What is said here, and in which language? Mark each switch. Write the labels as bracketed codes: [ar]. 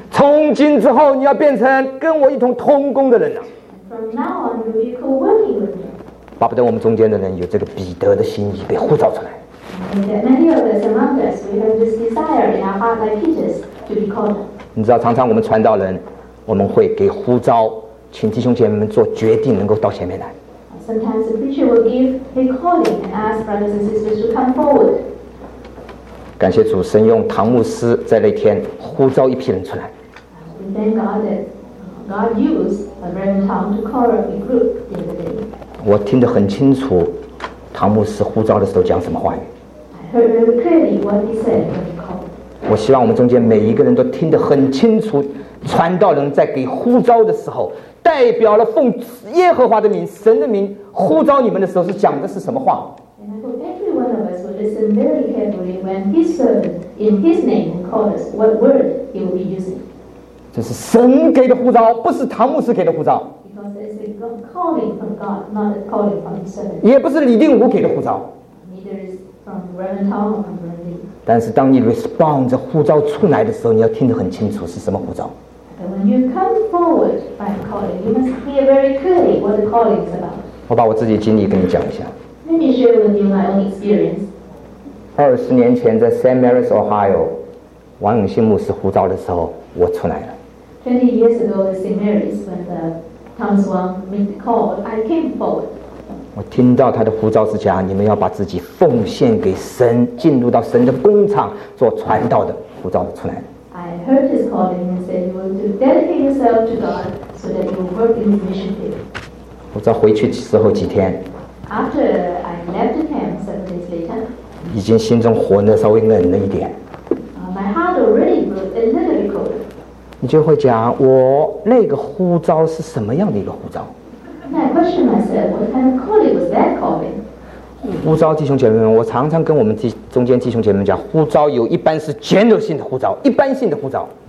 [zh] 从今之后，你要变成跟我一同同工的人了。 [en] From now on, you'll be co-working with me. [zh] 巴不得我们中间的人有这个彼得的心意被呼召出来。 [en] And that many of us among us, we have this desire in our heart like Peter's to be called. [zh] 你知道，常常我们传道人，我们会给呼召。请弟兄姐妹们做决定，能够到前面来。 [en] Sometimes the preacher will give a calling and ask brothers and sisters to come forward. [zh] 感谢主，神用唐牧师在那天呼召一批人出来。 [en] We thank God that God used a Reverend Tom to call a group the other day. [zh] 我听得很清楚，唐牧师呼召的时候讲什么话语。 [en] I heard very clearly what he said when he called. [zh] 我希望我们中间每一个人都听得很清楚，传道人在给呼召的时候。代表了奉耶和华的名神的名呼召你们的时候是讲的是什么话。 [en] And I hope every one of us will listen very carefully when his servant in his name calls us, what word he will be using. [zh] 这是神给的呼召，不是唐牧师给的呼召。 [en] Because it's a calling from God, not a calling from his servant. [zh] 也不是李定武给的呼召。 [en] Neither is from Reverend Tom or from Reverend Lee. [zh] 但是当你 respond 这呼召出来的时候，你要听得很清楚是什么呼召。 [en] When you come forward by calling, you must hear very clearly what the calling is about. [zh] 我把我自己经历跟你讲一下。 [en] Let me share with you my own experience. [zh] 20年前在 St. Mary's, Ohio, 王永兴牧师呼召的时候，我出来了。 [en] 20 years ago, at St. Mary's, when Thomas Wang made the call, I came forward. [zh] 我听到他的呼召是讲，你们要把自己奉献给神，进入到神的工厂做传道的呼召出来了。 [en] I heard his calling and said you want to dedicate yourself to God so that you will work in his mission field. [zh] 我在回去的时候几天。 [en] After I left camp 7 days later. [zh] 已经心中火呢稍微冷了一点。 [en] My heart already grew a little bit colder. [zh] 你就会讲我那个呼召是什么样的一个呼召。 [en] And I question myself, what kind of calling was that calling? [zh] 呼召弟兄姐妹们，我常常跟我们中间弟兄姐妹们讲，呼召有一般是 general 性的呼召，一般性的呼召。